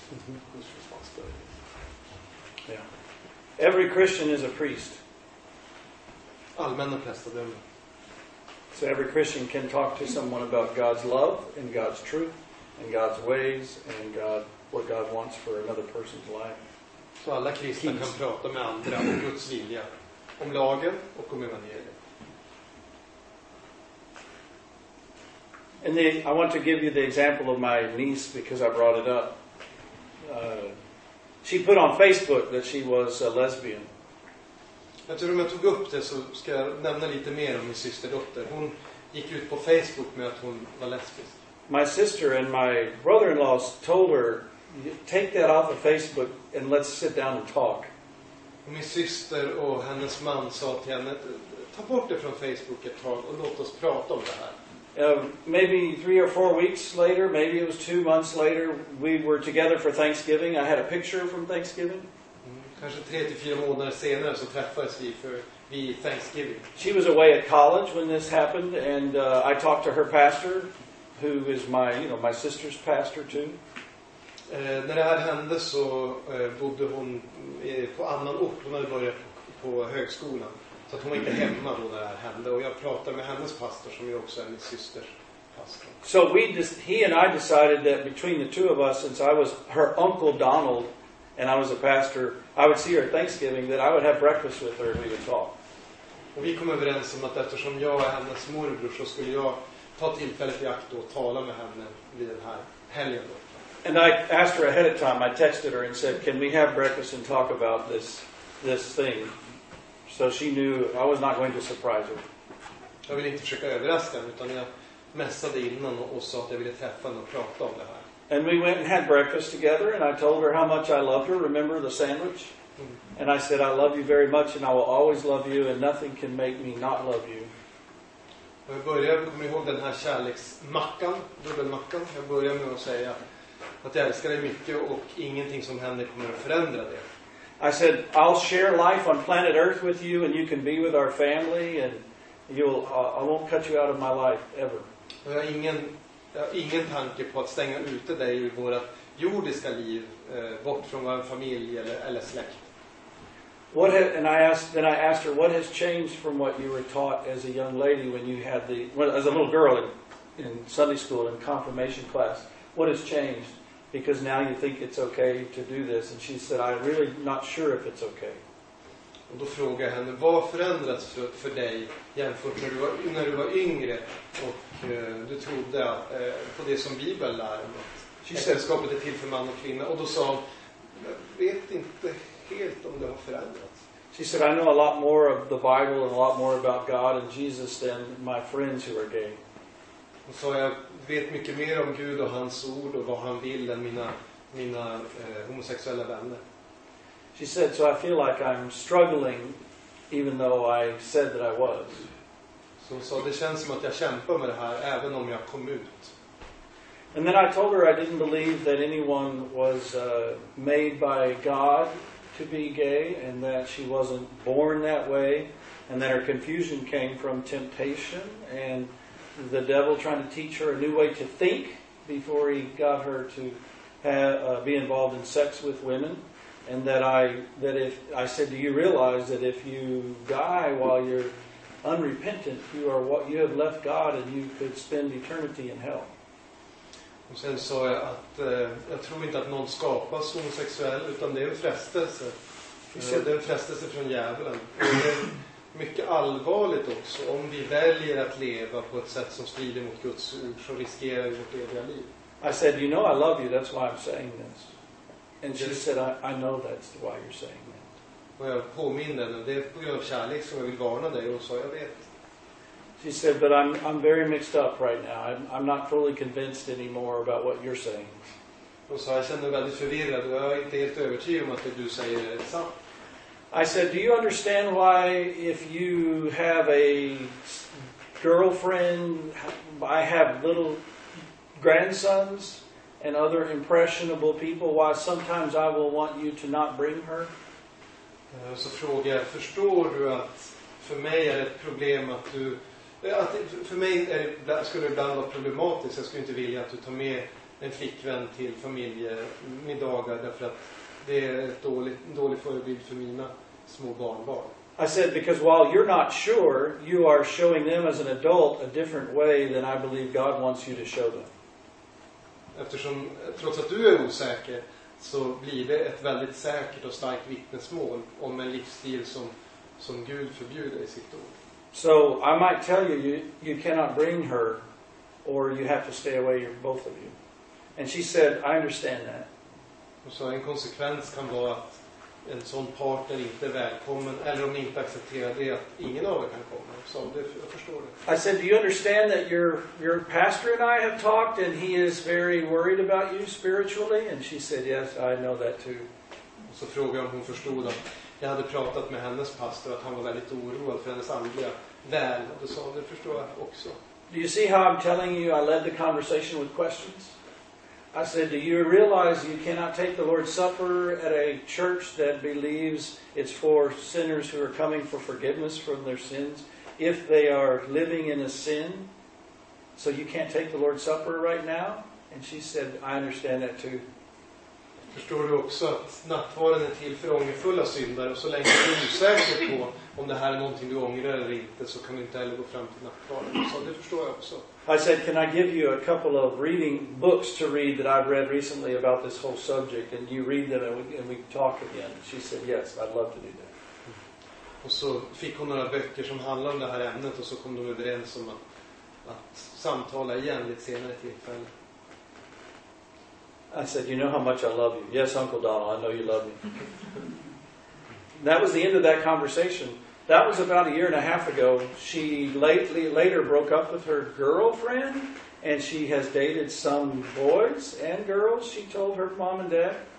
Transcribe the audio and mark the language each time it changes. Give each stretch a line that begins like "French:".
English: Whose responsibility is it? Yeah. Every Christian is a priest.
Swedish: Allmänna prästadömen.
English: So every Christian can talk to someone about God's love and God's truth and God's ways and God, what God wants for another person's life.
Swedish: Så alla kristna kan prata med andra om Guds vilja, om lagen och om evangeliet.
English: And then I want to give you the example of my niece because I brought it up. She put on Facebook that she was a lesbian.
Swedish: Eftersom jag tog upp det så ska jag nämna lite mer om min systerdotter. Hon gick ut på Facebook med att hon var lesbisk.
English: My sister and my brother-in-law told her, take that off of Facebook and let's sit down and talk.
Swedish: Min syster och hennes man sa till henne, ta bort det från Facebook ett tag och låt oss prata om det här.
English: Maybe 3 or 4 weeks later, maybe it was 2 months later, we were together for Thanksgiving. I had a picture from Thanksgiving.
Swedish: Kanske 3 till 4 månader senare så träffades vi för vid Thanksgiving.
English: She was away at college when this happened, and I talked to her pastor, who is my, you know, my sister's pastor too.
Swedish: När det här hände så bodde hon på annan ort. Hon hade börjat på högskolan, så att hon var inte hemma då när det här hände. Och jag pratade med hennes pastor, som ju också är min systers pastor.
English: So he and I decided that between the two of us, since I was her uncle Donald. And I was a pastor, I would see her at Thanksgiving, that I would have breakfast with her and we would talk.
Swedish: Och vi kom överens om att eftersom jag är hennes morbror så skulle jag ta tillfället i akt och tala med henne vid den här helgen.
English: And I asked her ahead of time, I texted her and said, can we have breakfast and talk about this thing? So she knew I was not going to surprise her.
Swedish: Jag ville inte försöka överraska henne, utan jag messade innan och sa att jag ville träffa henne och prata om det här.
English: And we went and had breakfast together, and I told her how much I loved her. Remember the sandwich? And I said, I love you very much, and I will always love you, and nothing can make me not love you.
Swedish: Jag börjar, kommer ihåg den här kärleksmackan, dubbelmackan. Jag börjar med att säga att jag älskar dig mycket, och ingenting som händer kommer att förändra det.
English: I said, I'll share life on planet Earth with you, and you can be with our family, and I won't cut you out of my life, ever.
Swedish: Jag har ingen tanke på att stänga ute dig i våra jordiska liv, bort från vår familj eller släkt.
English: And I asked her, what has changed from what you were taught as a young lady when you had as a little girl in Sunday school in confirmation class? What has changed? Because now you think it's okay to do this. And she said, I'm really not sure if it's okay.
Swedish: Och då frågade jag henne, vad förändrats för dig jämfört med när du var yngre och du trodde på det som Bibeln lär om att sällskapet är till för man och kvinna? Och då sa hon, jag vet inte helt om det har förändrats.
English: She said, I know a lot more of the Bible and a lot more about God and Jesus than my friends who are gay.
Swedish: Och sa, jag vet mycket mer om Gud och hans ord och vad han vill än mina homosexuella vänner.
English: She said, so I feel like I'm struggling even though I said that I was.
Swedish: Så hon sa, det känns som att jag kämpar med det här även om jag kom ut.
English: And then I told her I didn't believe that anyone was made by God to be gay and that she wasn't born that way and that her confusion came from temptation and the devil trying to teach her a new way to think before he got her to be involved in sex with women. And that I said, do you realize that if you die while you're unrepentant, you are what you have left God, and you could spend eternity in hell.
Swedish: Och sen sa jag att jag tror inte att någon skapas homosexuell, utan det är en frestelse. Det är en frestelse från djävulen. Och det är mycket allvarligt också. Om vi väljer att leva på ett sätt som strider mot Guds ord, så riskerar vi vårt eviga liv.
English: I said, you know I love you, that's why I'm saying this. And she said, I know that's why you're saying that.
Swedish: Och jag påminner henne, det är på grund av kärlek som jag vill varna dig, och så jag vet.
English: She said, but I'm very mixed up right now. I'm not fully convinced anymore about what you're saying.
Swedish: Och så jag känner mig väldigt förvirrad, och jag är inte helt övertygad om att det du säger är sant.
English: I said, do you understand why if you have a girlfriend, I have little grandsons and other impressionable people, why sometimes I will want you to not bring her?
Swedish: Så frågar jag, förstår du att för mig är det ett problem att du, att för mig är det, skulle det ibland vara problematiskt, jag skulle inte vilja att du tar med en flickvän till familjemiddagar, därför att det är en dålig förebild för mina små barnbarn.
English: I said, because while you're not sure, you are showing them as an adult a different way than I believe God wants you to show them.
Swedish: Eftersom, trots att du är osäker, så blir det ett väldigt säkert och starkt vittnesmål om en livsstil som Gud förbjuder i sitt ord.
English: So I might tell you, you cannot bring her, or you have to stay away, both of you. And she said, I understand that.
Swedish: Och så en konsekvens kan vara att en sån partner inte är välkommen, eller om ni inte accepterar det, att ingen av er kan komma. Så det, jag förstår det.
English: I said, do you understand that your pastor and I have talked, and he is very worried about you spiritually? And she said, yes, I know that too.
Swedish: Och så frågade jag om hon förstod att jag hade pratat med hennes pastor, att han var väldigt oroad för hennes andliga väl. Och då sa hon, det förstår jag också.
English: Do you see how I'm telling you I led the conversation with questions? I said, do you realize you cannot take the Lord's Supper at a church that believes it's for sinners who are coming for forgiveness from their sins if they are living in a sin? So you can't take the Lord's Supper right now? And she said, I understand that too.
Swedish: Förstår du också att nattvarden är till för ångerfulla syndare, och så länge du är osäker på om det här är någonting du ångrar eller inte, så kan du inte heller gå fram till nattvarden. Så det förstår jag också.
English: I said, can I give you a couple of reading books to read that I've read recently about this whole subject, and you read them and we talk again? She said, yes, I'd love to do that.
Swedish: Och så fick hon några böcker som handlar om det här ämnet, och så kom de överens om att samtala igen lite senare tillfälle.
English: I said, you know how much I love you. Yes, Uncle Donald, I know you love me. That was the end of that conversation. That was about a year and a half ago. She later broke up with her girlfriend, and she has dated some boys and girls, she told her mom and dad.